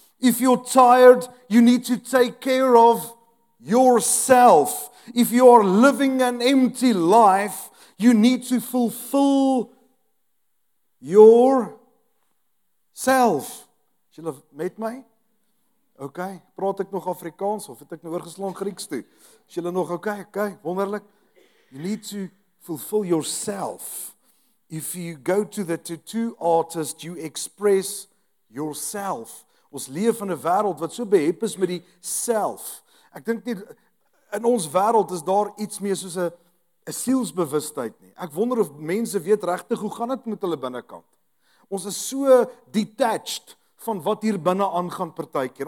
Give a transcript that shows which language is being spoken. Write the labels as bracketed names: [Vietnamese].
[English] If you're tired, you need to take care of yourself. If you are living an empty life, you need to fulfill yourself. [Afrikaans] Is julle met my? OK, praat ek nog Afrikaans of het ek nou oorgeslaan Grieks toe? Is julle nog OK? OK, wonderlik. [English] You need to fulfill yourself. If you go to the tattoo artist, you express yourself. [Afrikaans] Ons leef in 'n wêreld wat so behep is met die self. Ek dink nie, in ons wêreld is daar iets meer soos 'n sielsbewustheid nie. Ek wonder of mense weet regtig hoe gaan dit met hulle binnekant. Ons is so detached van wat hier binne aangaan partykeer.